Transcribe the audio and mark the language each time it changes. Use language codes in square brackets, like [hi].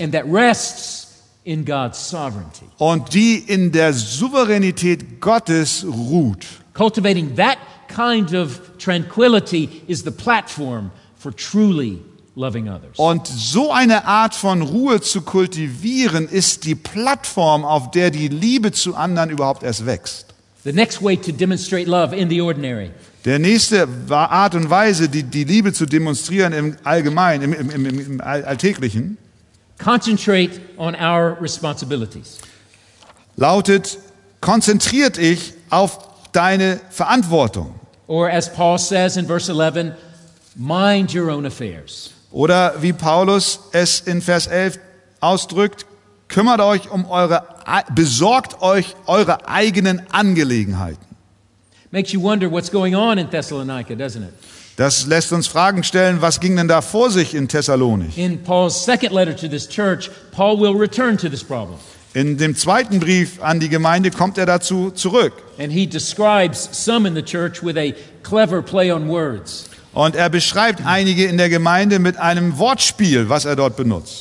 [en] And that rests in God's sovereignty. [de] Und die in der Souveränität Gottes ruht. [en] Cultivating that kind of tranquility is the platform for truly loving others. [de] Und so eine Art von Ruhe zu kultivieren, ist die Plattform, auf der die Liebe zu anderen überhaupt erst wächst. [en] The next way to demonstrate love in the ordinary. [de] Der nächste Art und Weise, die Liebe zu demonstrieren im Allgemeinen, im Alltäglichen, [en] concentrate on our responsibilities. [de] Lautet, konzentriert dich auf deine Verantwortung. [en] Or as Paul says in verse 11, mind your own affairs. [de] Oder wie Paulus es in Vers 11 ausdrückt, kümmert euch um eure, besorgt euch eure eigenen Angelegenheiten. [en] Makes you wonder what's going on in Thessalonica, doesn't it? [de] Das lässt uns Fragen stellen, was ging denn da vor sich in Thessalonich? [en] In Paul's second letter to this church, Paul will return to this problem. [de] In dem zweiten Brief an die Gemeinde kommt er dazu zurück. [en] And he describes some in the church with a clever play on words. [de] Und er beschreibt einige in der Gemeinde mit einem Wortspiel, was er dort benutzt.